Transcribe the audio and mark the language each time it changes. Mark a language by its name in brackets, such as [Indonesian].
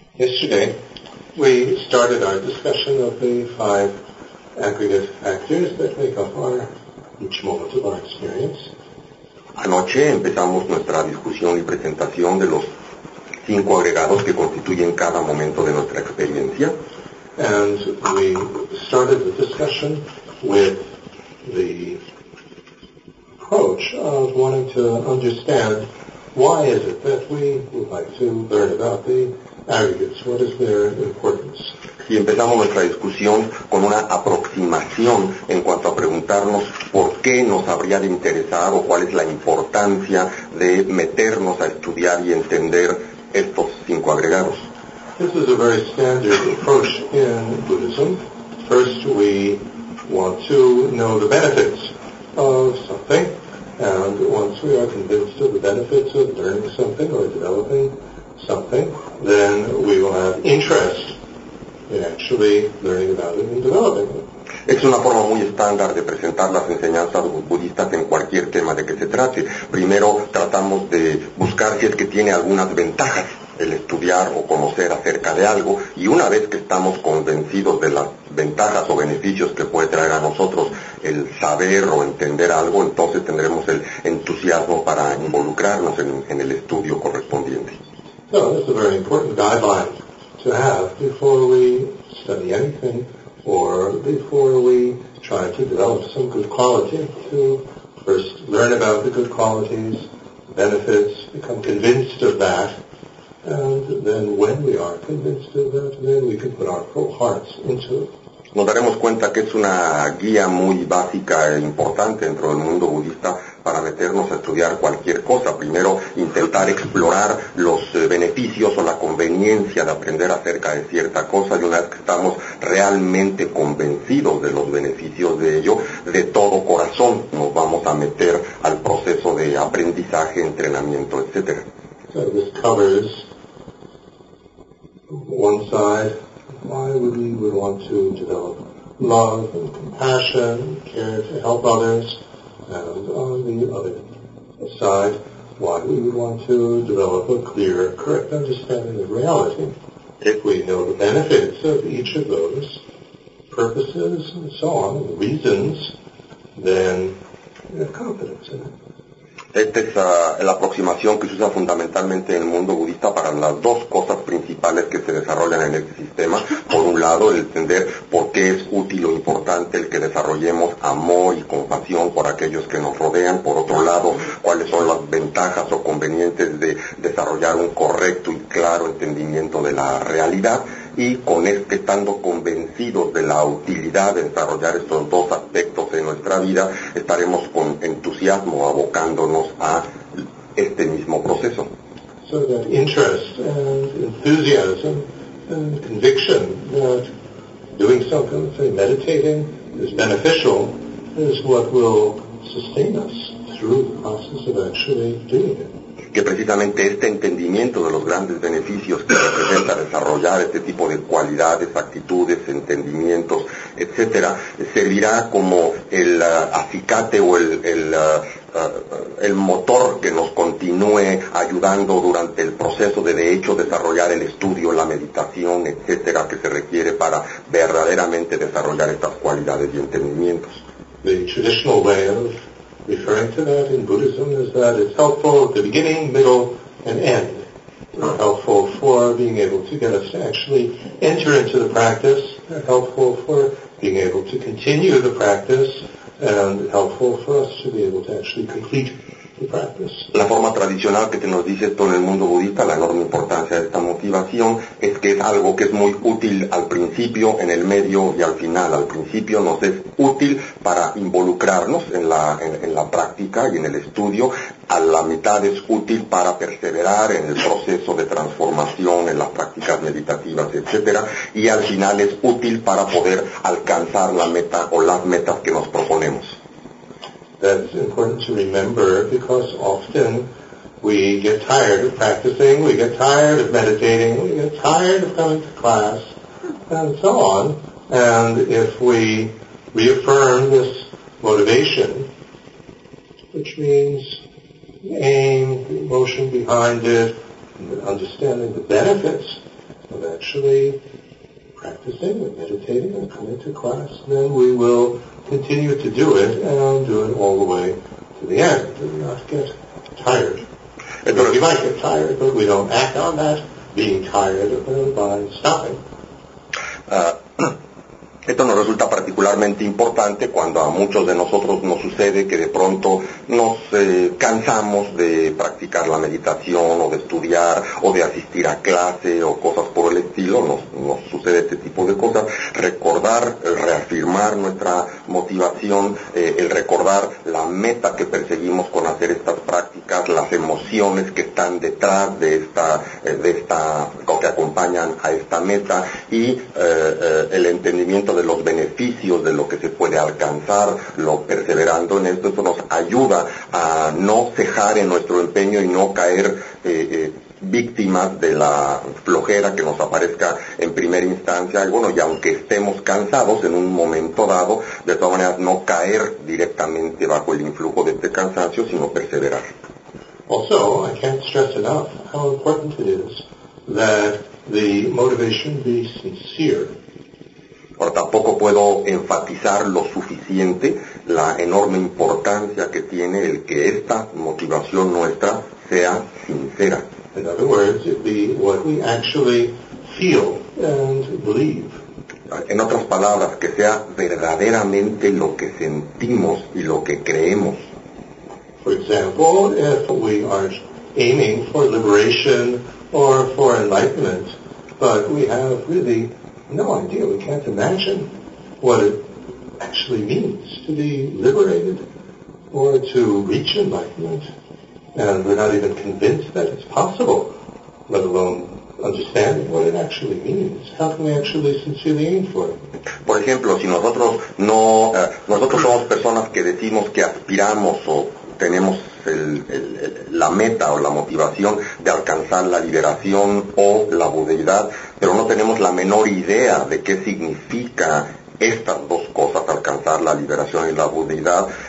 [English] Yesterday, we started our discussion of the five aggregate factors that make up our each moment of our experience. [Spanish] Anoche empezamos nuestra discusión y presentación de los cinco agregados que constituyen cada momento de nuestra experiencia. [English] And we started the discussion with the approach of wanting to understand why is it that we would like to learn about the aggregates? What is their importance? [Spanish] Y empezamos nuestra discusión con una aproximación en cuanto a preguntarnos por qué nos habría de interesar o cuál es la importancia de meternos a estudiar y entender estos cinco agregados. [English] This is a very standard approach in Buddhism. First, we want to know the benefits of something, and once we are convinced of the benefits of learning something or developing something, then we will have interest in actually learning about it and developing it. [Spanish] Es una forma muy estándar de presentar las enseñanzas budistas en cualquier tema de que se trate. Primero tratamos de buscar si es que tiene algunas ventajas el estudiar o conocer acerca de algo, y una vez que estamos convencidos de las ventajas o beneficios que puede traer a nosotros el saber o entender algo, entonces tendremos el entusiasmo para involucrarnos en el estudio correspondiente. [English] So, that's a very important guideline to have before we study anything or before we try to develop some good quality, to first learn about the good qualities, benefits, become convinced of that, and then when we are convinced of that, then we can put our full hearts into it. [Spanish] Nos daremos cuenta que es una guía muy básica e importante dentro del mundo budista para meternos a estudiar cualquier cosa. Primero, intentar explorar los beneficios o la conveniencia de aprender acerca de cierta cosa, y una vez que estamos realmente convencidos de los beneficios de ello, de todo corazón nos vamos a meter al proceso de aprendizaje, entrenamiento, etc. [English] So this covers one side. Why would we would want to develop love and compassion, care to help others, and on the other side, why we would want to develop a clear, correct understanding of reality. If we know the benefits of each of those purposes and so on, the reasons, then we have confidence in it. [Spanish] Esta es la aproximación que se usa fundamentalmente en el mundo budista para las dos cosas principales que se desarrollan en este sistema. Por un lado, el entender por qué es útil o importante el que desarrollemos amor y compasión por aquellos que nos rodean. Por otro lado, cuáles son las ventajas o convenientes de desarrollar un correcto y claro entendimiento de la realidad. Y con este, estando convencidos de la utilidad de desarrollar estos dos aspectos de nuestra vida, estaremos con entusiasmo abocándonos a este mismo proceso. [English] So that interest and enthusiasm and conviction that doing something, say meditating, is beneficial is what will sustain us through the process of actually doing it. [Spanish] Que precisamente este entendimiento de los grandes beneficios que representa desarrollar este tipo de cualidades, actitudes, entendimientos, etcétera, servirá como el acicate o el motor que nos continúe ayudando durante el proceso de hecho desarrollar el estudio, la meditación, etcétera, que se requiere para verdaderamente desarrollar estas cualidades y entendimientos. [English] Referring to that in Buddhism is that it's helpful at the beginning, middle, and end. They're helpful for being able to get us to actually enter into the practice. They're helpful for being able to continue the practice, and helpful for us to be able to actually complete the practice. [Spanish] La forma tradicional que nos dice todo el mundo budista, la enorme importancia de esta motivación, es que es algo que es muy útil al principio, en el medio y al final. Al principio nos es útil para involucrarnos en la práctica y en el estudio. A la mitad es útil para perseverar en el proceso de transformación, en las prácticas meditativas, etc. Y al final es útil para poder alcanzar la meta o las metas que nos proponemos. [English] That's important to remember, because often we get tired of practicing, we get tired of meditating, we get tired of coming to class, and so on. And if we reaffirm this motivation, which means the aim, the emotion behind it, and understanding the benefits, of actually practicing and meditating and coming to class, then we will continue to do it and do it all the way to the end and not get tired. We might get tired, but we don't act on that being tired by stopping. [Spanish] Esto nos resulta particularmente importante cuando a muchos de nosotros nos sucede que de pronto nos cansamos de practicar la meditación o de estudiar o de asistir a clase o cosas por el estilo, nos sucede este tipo de cosas. Recordar, reafirmar nuestra motivación, el recordar la meta que perseguimos con hacer estas prácticas, las emociones que están detrás de esta o que acompañan a esta meta y el entendimiento de los beneficios de lo que se puede alcanzar, lo perseverando en esto, eso nos ayuda a no cejar en nuestro empeño y no caer víctimas de la flojera que nos aparezca en primera instancia, y bueno, y aunque estemos cansados en un momento dado, de todas maneras no caer directamente bajo el influjo de este cansancio, sino perseverar. [English] Also, I can't stress enough how important it is that the motivation be sincere. [Spanish] Pero tampoco puedo enfatizar lo suficiente la enorme importancia que tiene el que esta motivación nuestra sea sincera. [English] In other words, it be what we actually feel and believe. [Spanish] En otras palabras, que sea verdaderamente lo que sentimos y lo que creemos. [English] For example, if we are aiming for liberation or for enlightenment, but we have really no idea, we can't imagine what it actually means to be liberated or to reach enlightenment, and we're not even convinced that it's possible, let alone understanding what it actually means. How can we actually sincerely aim for it? [Spanish] Por ejemplo, si nosotros no, nosotros somos personas que decimos que aspiramos o tenemos la meta o la motivación de alcanzar la liberación o la budeidad, pero no tenemos la menor idea de qué significa estas dos cosas, alcanzar la liberación y la budeidad.